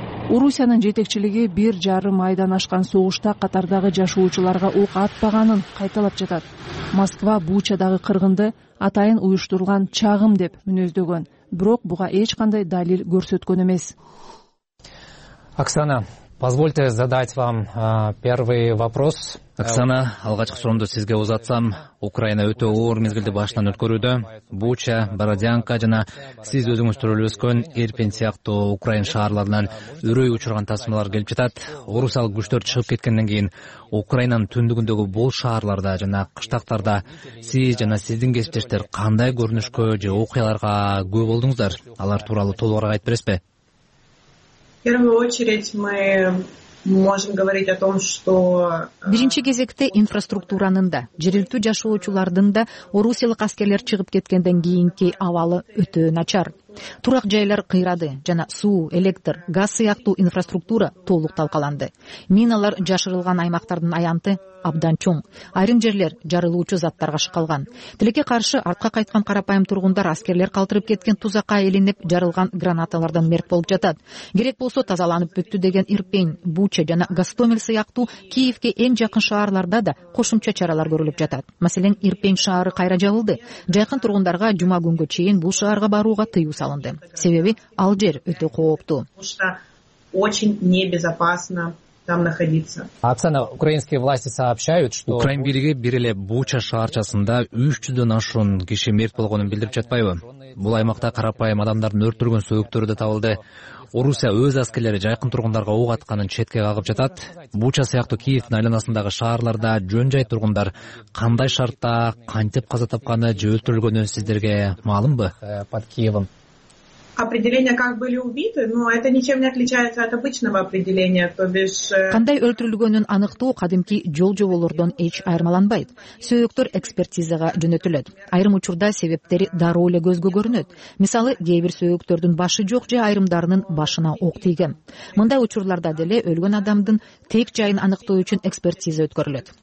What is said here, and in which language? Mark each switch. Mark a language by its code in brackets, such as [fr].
[ky] Орусиянын жетекчилиги 1,5 айдан ашкан согушта Катардагы жашоочуларга ок атпаганын кайталап жатат. Москва Бучадагы кыргынды атайын уюштурулган чагым деп мүнөздөгөн, бирок буга эч кандай далил көрсөткөн эмес. [ru] Оксана, позвольте задать вам первый вопрос. [ky] Оксана, алгачкы суроомду сизге узатсам, Украина өтө оор мезгилди башынан өткөрүүдө. Буча, Бородянка жана сиз өзүңүз төрөлүп өскөн Ирпин сыяктуу Украина шаарларынан үрөй учурган тасмалар келип жатат. Орусиялык күчтөр чыгып кеткенден кийин Украинанын түндүгүндөгү бул шаарларда жана кыштактарда сиз жана сиздин кесиптештер кандай көрүнүшкө же окуяларга күбө болдуңуздар? Алар тууралуу толугураак айтып бересизби? [ru] В первую очередь мы можем говорить о том, что [ky] биринчи кезекте инфраструктуранын да, жергилүү жашоочулардын да орусиялык аскерлер чыгып кеткенден кийинки абалы өтө начар. Турак жайлар кыйрады жана суу, электр, газ сыяктуу инфраструктура толук талкаланды. Миналар жашырылган аймактардын аянты абдан чоң. Айрым жерлер жарылуучу заттарга шыкалган. Тилекке каршы артка кайткан карапайым тургундар аскерлер калтырып кеткен тузакка илинип жарылган гранаталардан мерт болуп жатат. Керек болсо тазаланып бүттү деген Ирпен, Буча жана Гостомель сыяктуу Киевке эң жакын шаарларда да кошумча чаралар көрүлүп жатат. Маселен, Ирпен шаары кайра жабылды. Жакын тургундарга жума күнгө чейин бул шаарга барууга тыюу салынды. Себеби ал жер өтө кооптуу. [ru] Очень небезопасно. Оксана, украинские власти сообщают, что [ky] Украин бийлиги бир эле Буча шаарчасында 300 ашуун киши мерт болгонун билдирип жатпайбы? Бул аймакта карапайым адамдардын өлтүргөн сөөктөрү да табылды. Орусия өз аскерлери жакын тургундарга ок атканын четке кагып жатат. Буча сыяктуу Киевдин айланасындагы шаарларда жөн жай тургундар кандай шартта, кантип каза тапканы же өлтүрүлгөнү сиздерге маалымбы? [ru] Под Киевом. Определение, как были убиты, но это ничем не отличается от обычного определения, то бишь [ky] кандай өлтүрүлгөнүн аныктоо кадимки жол-жоболордон эч айырмаланбайт. Сөөктөр экспертизага жөнөтүлөт. Айрым учурда себептери дароо эле көзгө көрүнөт. Мисалы, кээ бир сөөктөрдүн башы жок же айрымдарынын башына ок тийген. Мындай учурларда деле өлгөн адамдын тек жайын аныктоо үчүн экспертиза өткөрүлөт.